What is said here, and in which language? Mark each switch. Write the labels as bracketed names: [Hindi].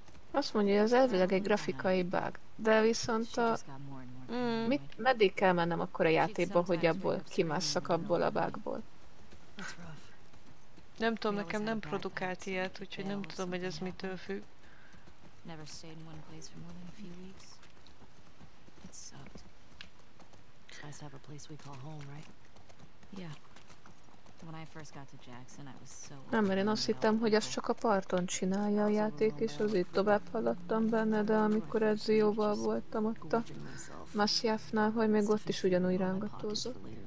[Hungarian] Azt mondja, hogy ez elvileg egy grafikai bug, de viszont a... Mit, meddig kell mennem akkor a játékba, hogy abból kimásszak abból a bugból? Nem tudom, nekem nem produkált ilyet, úgyhogy nem tudom, hogy ez mitől függ. [English] Never stayed in one place for more than a few weeks. It sucked. You guys have a place we call home, right? Yeah. When I first got to Jackson, I was so... [Hungarian] Nem, mert én azt hittem, hogy ezt csak a parton csinálja a játék, és azért tovább haladtam benne, de amikor ez jóval voltam ott a Masyafnál, hogy még ott is ugyanúgy rángatózott.